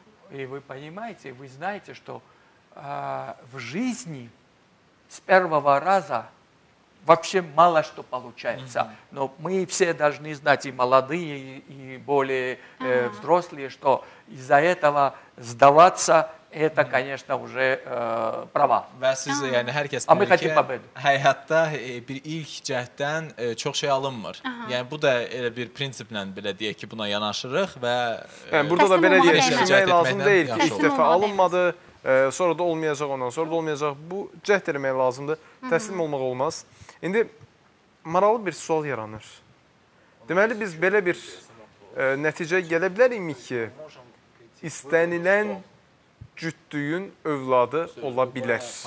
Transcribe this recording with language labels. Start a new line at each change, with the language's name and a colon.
Russian: И вы понимаете, вы знаете, что в жизни с первого раза вообще мало что получается. Но мы все должны знать, и молодые, и более взрослые, что из-за этого сдаваться, это, конечно, уже права. А мы хотим победу.
Azerbaijani: Həyatda bir ilk cəhddən çox şey alınmır. Yəni, bu da elə bir prinsiplə, belə deyək ki, buna yanaşırıq və... Burada da belə deyək ki, şey lazım deyil ki, ilk dəfə alınmadı, sonra da olmayacaq, ondan sonra da olmayacaq. Bu cəhd eləmək lazımdır. Təslim olmaq olmaz. İndi maraqlı bir sual yaranır. Deməli, biz belə bir nəticə gələ bilərikmi ki, istənilən cütlüyün övladı ola bilər?